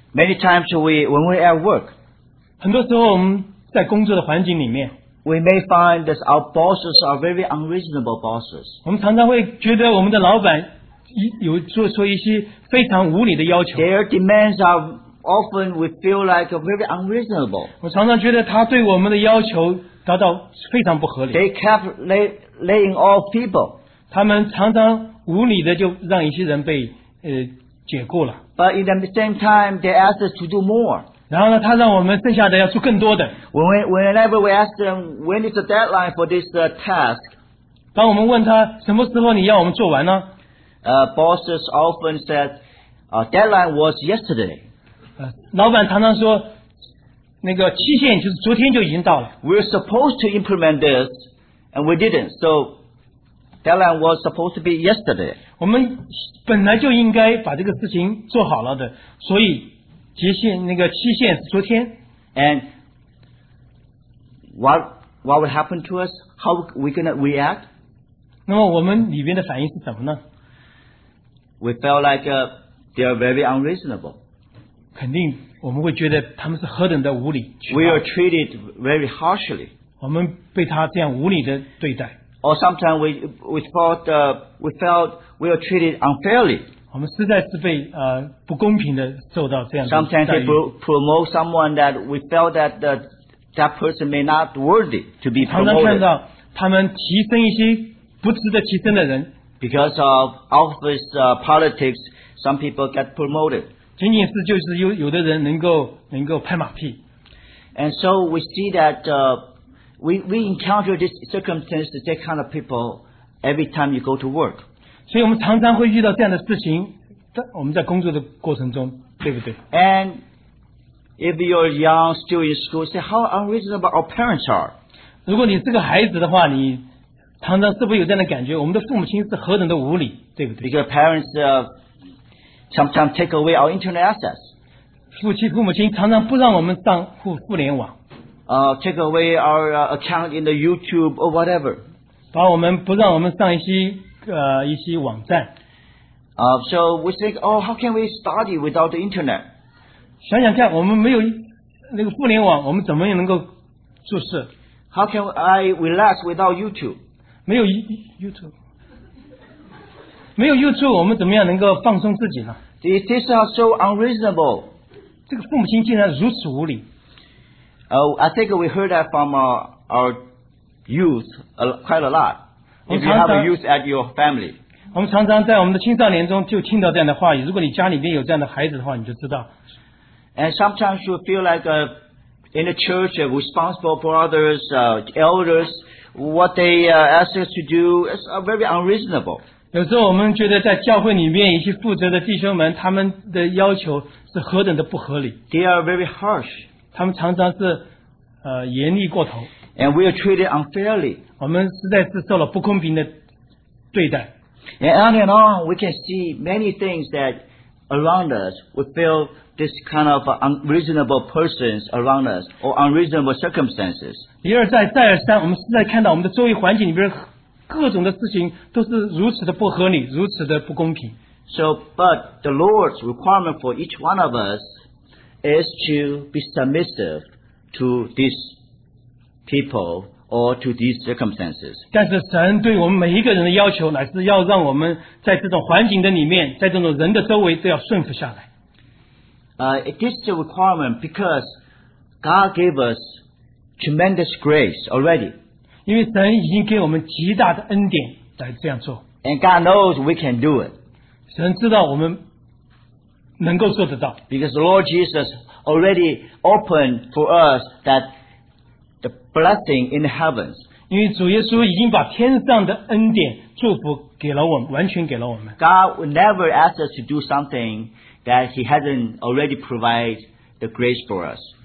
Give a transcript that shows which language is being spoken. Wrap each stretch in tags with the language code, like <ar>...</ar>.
<en>Many times when we at work.</en> <zh>很多时候我们在工作的环境里面</zh> <en>We may find that our bosses are very unreasonable bosses.</en> <zh>我们常常会觉得我们的老板有做出一些非常无理的要求。</zh> <en>Their demands are often we feel like very unreasonable.</en> <zh>我常常觉得他对我们的要求达到非常不合理。</zh> <en>They kept laying off people.</en> <zh>他们常常无理的就让一些人被解雇了。</zh> <en>But at the same time, they ask us to do more.</en> <zh>然后呢，他让我们剩下的要做更多的。</zh> <en>Whenever we ask them when is the deadline for this task，</en> <zh>当我们问他什么时候你要我们做完呢</zh> <en>？Bosses often said， deadline was yesterday。</en> <zh>老板常常说，那个期限就是昨天就已经到了。</zh> <en>We're supposed to implement this， and we didn't， so deadline was supposed to be yesterday。</en> <zh>我们本来就应该把这个事情做好了的，所以。期限那个期限是昨天</zh> <en>，and what will happen to us? How we gonna react?</en> <zh>那么我们里面的反应是什么呢</zh> <en>？We felt like they are very unreasonable.</en> <zh>肯定我们会觉得他们是何等的无理。</zh> <en>We are treated very harshly.</en> <zh>我们被他这样无理的对待。</zh> <en>Or sometimes we felt we are treated unfairly.</en> <zh>我们实在是被不公平的受到这样的待遇。</zh> <en>Sometimes they promote someone that we felt that that person may not worthy to be promoted.</en> <zh>常常看到他们提升一些不值得提升的人。</zh> <en>Because of office politics, some people get promoted.</en> <zh>仅仅是就是有的人能够拍马屁。</zh> <en>And so we see that we encounter this circumstance, that kind of people every time you go to work.</en> <zh>所以我们常常会遇到这样的事情，我们在工作的过程中，对不对</zh> <en>？And if you're young, still in school, say how unreasonable our parents are.</en> <zh>如果你是个孩子的话，你常常是不是有这样的感觉？我们的父母亲是何等的无理，对不对</zh> <en>？Because parents sometimes take away our internet access.</en> <zh>父母亲常常不让我们上互联网。</zh> <en>Take away our account in the YouTube or whatever.</en> <zh>把我们不让我们上一些。一些网站。</zh> <en>So we think, oh, how can we study without the internet?</en> <zh>想想看，我们没有那个互联网，我们怎么也能够做事</zh> <en>？How can I relax without YouTube?</en> <zh>没有 YouTube， 没有 YouTube， 我们怎么样能够放松自己呢</zh> <en>？This is so unreasonable.</en> <zh>这个父母亲竟然如此无理。</zh> <en>I think we heard that from our youth quite a lot. If you have a youth at your family,</en> <zh>我们常常在我们的青少年中就听到这样的话语。如果你家里面有这样的孩子的话，你就知道。</zh> <en>And sometimes you feel like in the church, responsible brothers, elders, what they ask us to do is very unreasonable.</en> <zh>有时候我们觉得在教会里面一些负责的弟兄们，他们的要求是何等的不合理。</zh> <en>They are very harsh.</en> <zh>他们常常是严厉过头。</zh> <en>And we are treated unfairly.</en> <zh>我们实在是受了不公平的对待。</zh> <en>And on and on, we can see many things that around us, we feel this kind of unreasonable persons around us or unreasonable circumstances.</en> <zh>一而再，再而三，我们实在看到我们的周围环境里边各种的事情都是如此的不合理，如此的不公平。</zh> <en>So, but the Lord's requirement for each one of us is to be submissive to this. People or to these circumstances.</en> <zh>但是神对我们每一个人的要求，乃是要让我们在这种环境的里面，在这种人的周围，都要顺服下来。</zh> <en>It is a requirement because God gave us tremendous grace already.</en> <zh>因为神已经给我们极大的恩典来这样做。</zh> <en>And God knows we can do it.</en> <zh>神知道我们能够做得到。</zh> <en>Because the Lord Jesus already opened for us that. The blessing in the heavens.</en> <zh>因为主耶稣已经把天上的恩典祝福给了我们，完全给了我们。</zh> <en>God would never ask us to do something that He hasn't already provided the grace for us.</en>